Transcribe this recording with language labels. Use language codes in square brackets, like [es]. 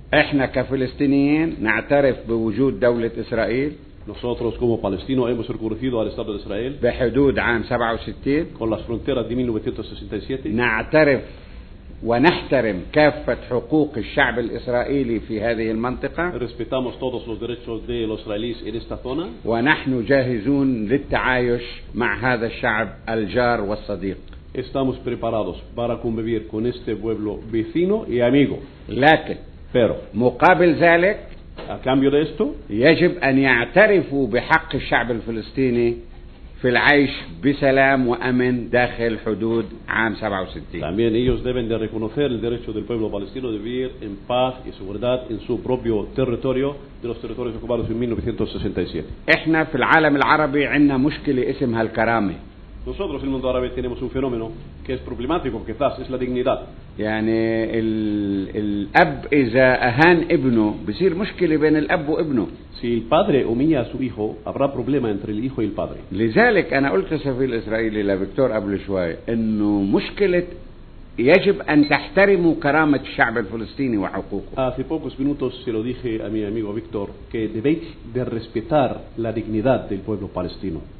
[ar] إحنا كفلسطينيين نعترف بوجود دولة إسرائيل. [es] Nosotros como palestinos hemos reconocido al Estado de Israel [ar] بحدود عام 67 [es] con las fronteras de 1967 [ar] نعترف ونحترم كافة حقوق الشعب الإسرائيلي في هذه المنطقة [es] respetamos todos los derechos de los israelíes en esta zona [ar] ونحن جاهزون للتعايش مع هذا الشعب الجار والصديق [es] estamos preparados para convivir con este pueblo vecino y amigo [ar] لكن [es] pero [ar] مقابل ذلك [es] A cambio de esto, [ar] يجب أن يعترفوا بحق الشعب الفلسطيني في العيش بسلام وأمن داخل حدود عام 67. [es] También ellos deben de reconocer el derecho del pueblo palestino de vivir en paz y seguridad en su propio territorio de los territorios ocupados en 1967. [ar] إحنا في العالم العربي عندنا مشكلة اسمها الكرامة. [es] Nosotros en el mundo árabe tenemos un fenómeno que es problemático, quizás es la dignidad. [ar] يعني الأب إذا أهان ابنه بصير مشكلة بين الأب وابنه. [es] Si el padre humilla a su hijo, habrá problema entre el hijo y el padre. [ar] لذلك أنا قلت سفير إسرائيلي لفيكتور قبل شوي إنه مشكلة يجب أن تحترموا كرامة الشعب الفلسطيني وحقوقه. [es] Hace pocos minutos se lo dije a mi amigo Víctor que debéis de respetar la dignidad del pueblo palestino.